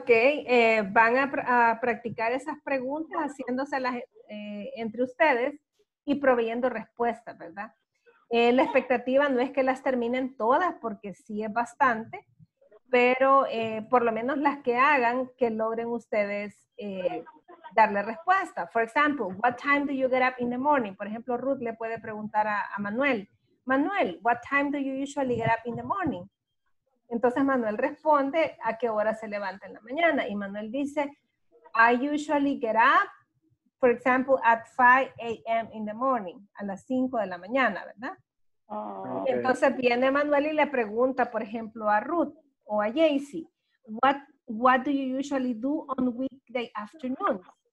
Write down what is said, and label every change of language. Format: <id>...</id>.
<es>Okay, van a practicar esas preguntas haciéndoselas entre ustedes y proveyendo respuestas, ¿verdad? La expectativa no es que las terminen todas, porque sí es bastante, pero por lo menos las que hagan, que logren ustedes darle respuesta.</es> <en>For example, what time do you get up in the morning?</en> <es>Por ejemplo, Ruth le puede preguntar a Manuel.</es> <en>Manuel, what time do you usually get up in the morning?</en> <es>Entonces Manuel responde a qué hora se levanta en la mañana. Y Manuel dice,</es> <en>I usually get up, for example, at 5 a.m. in the morning,</en> <es>a las 5 de la mañana, ¿verdad? Oh, okay. Entonces viene Manuel y le pregunta, por ejemplo, a Ruth o a Jaycee,</es> <en>what do you usually do on weekday afternoons?</en>